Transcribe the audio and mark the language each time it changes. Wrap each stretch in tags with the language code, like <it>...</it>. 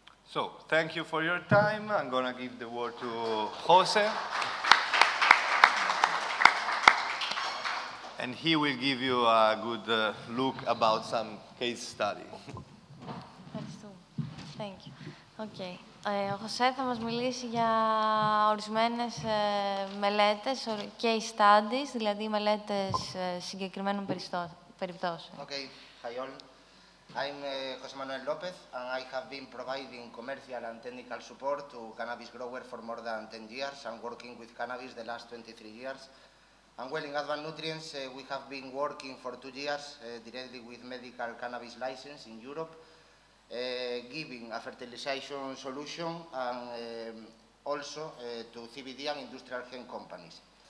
<en>So, thank you for your time. I'm going to give the word to Jose. And he will give you a good look about some case study.</en> <el>Ευχαριστώ.</el> <en>Thank you. Okay.</en> <el>Ο Χωσέ θα μας μιλήσει για ορισμένες μελέτες, case studies, δηλαδή μελέτες συγκεκριμένων περιπτώσεων.</el> <en>Okay. Hi all. I'm José Manuel López, and I have been providing commercial and technical support to cannabis growers for more than 10 years. I'm working with cannabis the last 23 years. And well, in Advanced Nutrients, we have been working for 2 years directly with medical cannabis license in Europe, giving a fertilization solution and also to CBD and industrial hemp companies.</en>